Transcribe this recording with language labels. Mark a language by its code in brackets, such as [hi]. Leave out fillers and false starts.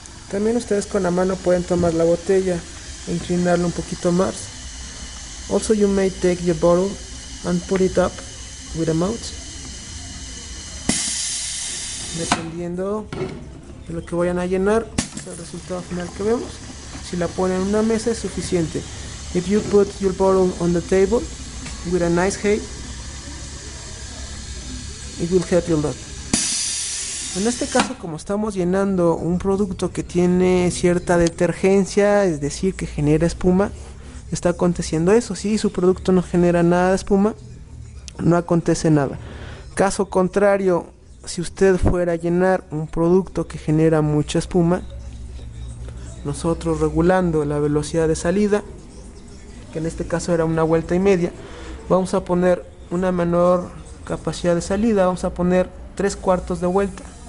[es] También ustedes con la mano pueden tomar la botella, inclinarla un poquito más. [en] Also you may take your bottle and put it up with a mouth, [es] dependiendo de lo que vayan a llenar, es el resultado final que vemos. Si la ponen en una mesa es suficiente. [en] If you put your bottle on the table with a nice height, it will help you a lot. [es] En este caso, como estamos llenando un producto que tiene cierta detergencia, es decir, que genera espuma, está aconteciendo eso. Si su producto no genera nada de espuma, no acontece nada. Caso contrario, si usted fuera a llenar un producto que genera mucha espuma, nosotros regulando la velocidad de salida, que en este caso era una vuelta y media, vamos a poner una menor capacidad de salida, vamos a poner 3/4 de vuelta.